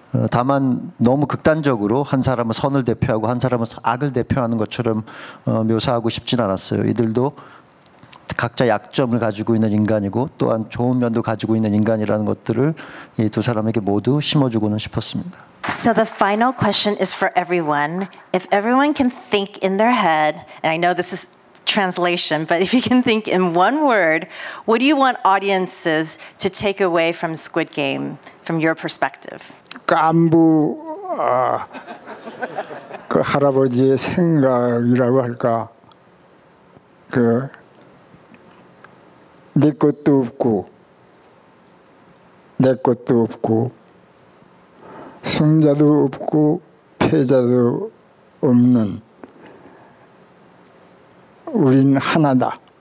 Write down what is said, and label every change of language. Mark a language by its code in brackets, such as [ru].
[ko] 다만 너무 극단적으로 한 사람은 선을 대표하고 한 사람은 악을 대표하는 것처럼 묘사하고 싶진 않았어요. 이들도 각자 약점을 가지고 있는 인간이고 또한 좋은 면도 가지고 있는 인간이라는 것들을 이 두 사람에게 모두 심어주고는 싶었습니다. [en] So the final question is for everyone. If everyone can think in their head, and I know this is translation, but if you can think in one word, what do you want audiences to take away from Squid Game from your perspective? [ko] 깐부 그 할아버지의 생각이라고 할까 그 내 것도 없고 내 것도 없고 승자도 없고 패자도 없는 우린 하나다.